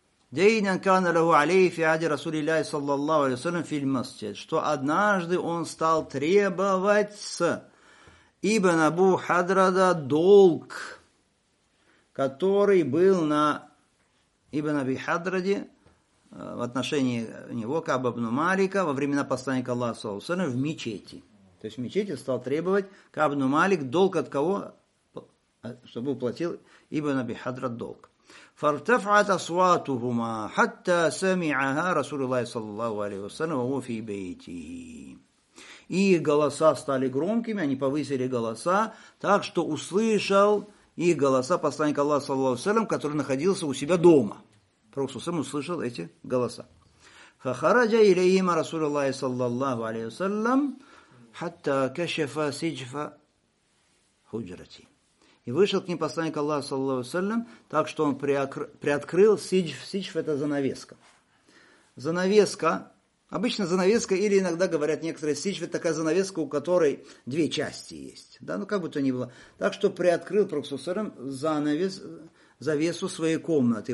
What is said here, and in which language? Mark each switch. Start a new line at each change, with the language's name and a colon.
Russian: Дейнан кана лаху алейхи фи ади расулиллахи саллаллаху алейхи ва саллям фи аль-масджид, что однажды он стал требовать с Ибн Абу Хадрада долг, который был на Ибн Аби Хадраде в отношении него, Каба ибн Малика, во времена посланника Аллаха саллаллаху алейхи ва саллям в мечети. То есть в мечети стал требовать Каба ибн Малик долг от кого? Чтобы уплатил Ибн Аби Хадрад долг.
Arabic: فارتفعت أصواتهما حتى سمعها رسول الله صلى الله عليه وسلم وهو في بيته.
Russian: Их голоса стали громкими, они повысили голоса, так что услышал их голоса посланник Аллаха صلى الله عليه وسلم, который находился у себя дома. Пророк сам услышал эти голоса.
Arabic: فخرج إليهما رسول الله صلى الله عليه وسلم حتى كشف سجف حجرته.
Russian: И вышел к ним посланник Аллаха, саллаллаху алейхи ва саллям, так что он приоткрыл сиджф. Сиджф – это занавеска. Занавеска, обычно занавеска, или иногда говорят некоторые, сиджф – это такая занавеска, у которой две части есть. Да, ну как бы то ни было. Так что приоткрыл проксусором занавес, завесу своей комнаты.